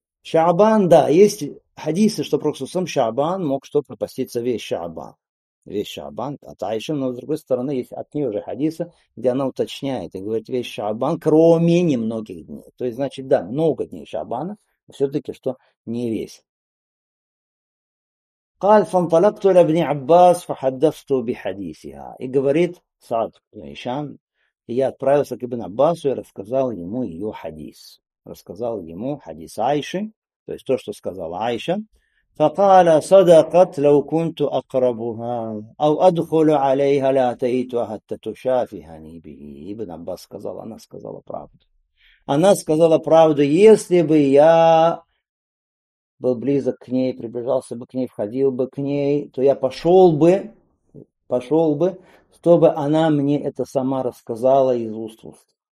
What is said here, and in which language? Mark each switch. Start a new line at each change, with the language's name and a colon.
Russian: Шаабан, да, есть хадисы, что пророк сам Шаабан мог что-то попоститься весь Шаабан. Весь Шаабан, а Тайша, но с другой стороны, есть от нее же хадисы, где она уточняет и говорит весь Шаабан, кроме немногих дней. То есть значит, да, много дней Шаабана, но все-таки что не весь.
Arabic: قال فانطلقت الى ابن عباس فحدثته بحديثها.
Russian: И говорит Саад ибн Хишам, я отправился к ибн Аббасу и рассказал ему ее хадис. Рассказал ему хадис Айши, то есть то, что сказала Айша.
Arabic: فقال صدقت لو كنت اقربها او ادخل عليها لاتيتها حتى تشافهني به.
Russian: Ибн Аббас сказал, она сказала правду. Она сказала правду, если бы я был близок к ней, приближался бы к ней, входил бы к ней, то я пошел бы, пошел бы, чтобы она мне это сама рассказала из уст в уст.